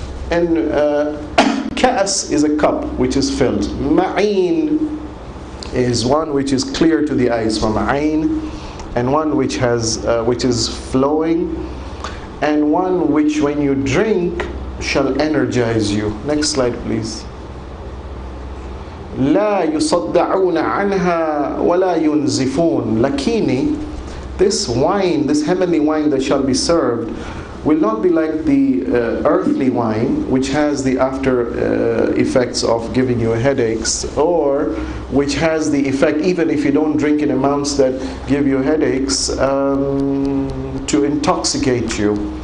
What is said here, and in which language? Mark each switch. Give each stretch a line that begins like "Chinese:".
English: And kas is a cup which is filled. Ma'in is one which is clear to the eyes, from ma'in, and one which has which is flowing, and one which when you drink shall energize you. Next slide, please.
Arabic: لا يصدعون عنها ولا ينزفون لكني.
English: This wine, this heavenly wine that shall be served, will not be like the earthly wine, which has the after effects of giving you headaches, or which has the effect, even if you don't drink in amounts that give you headaches, to intoxicate you.